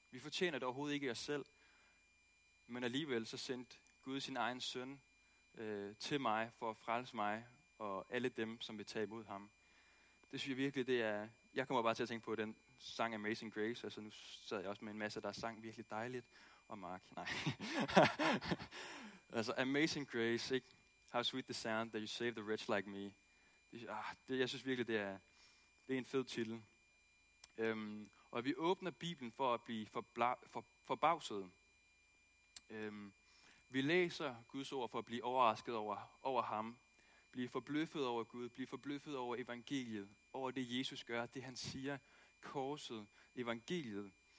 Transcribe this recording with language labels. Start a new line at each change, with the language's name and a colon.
Danish: Vi fortjener det overhovedet ikke os selv, men alligevel så sendte Gud sin egen søn til mig for at frelse mig og alle dem, som vil tage imod ham. Det synes jeg virkelig, det er... Jeg kommer bare til at tænke på den sang Amazing Grace. Altså, nu sad jeg også med en masse, der sang virkelig dejligt. Og Mark, nej. Altså, Amazing Grace, ikke?
English: How sweet the sound that you saved a wretch like me.
Danish: Det, jeg synes virkelig, det er en fed titel. Og vi åbner Bibelen for at blive forbavsede. Vi læser Guds ord for at blive overrasket over ham. Blive forbløffet over Gud. Blive forbløffet over evangeliet. Over det, Jesus gør. Det, han siger. Korset. Evangeliet.